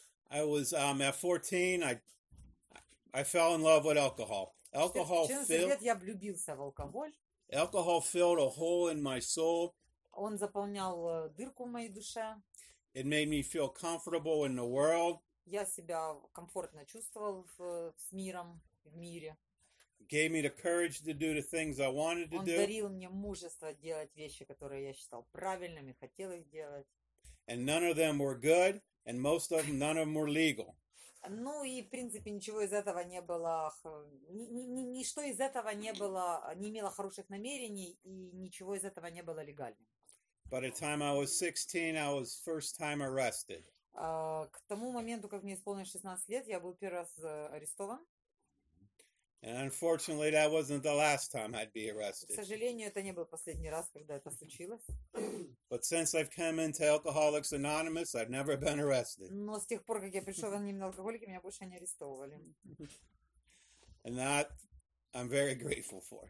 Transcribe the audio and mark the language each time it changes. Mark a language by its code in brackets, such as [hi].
[en] I was at 14, I fell in love with alcohol. Alcohol [ru] в 14 лет я влюбился в алкоголь. [en] Alcohol filled a hole in my soul. [ru] Он заполнял дырку в моей душе. [en] It made me feel comfortable in the world. [ru] Я себя комфортно чувствовал с миром, в мире. [en] Gave me the courage to do the things I wanted to do. [ru] Он дарил мне мужество делать вещи, которые я считал правильными, хотел их делать. [en] And none of them were good, and most of them, none of them were legal. [ru] Ну и, в принципе, ничего из этого не было, ничто из этого не было, не имело хороших намерений, и ничего из этого не было легальным. [en] By the time I was 16, I was first time arrested. [ru] К тому моменту, как мне исполнилось 16 лет, я был первый раз арестован. [en] And unfortunately, that wasn't the last time I'd be arrested. [ru] К сожалению, это не был последний раз, когда это случилось. [en] But since I've come into Alcoholics Anonymous, I've never been arrested. [ru] Но с тех пор, как я пришел в анонимные алкоголики, меня больше не арестовывали. [en] And that I'm very grateful for.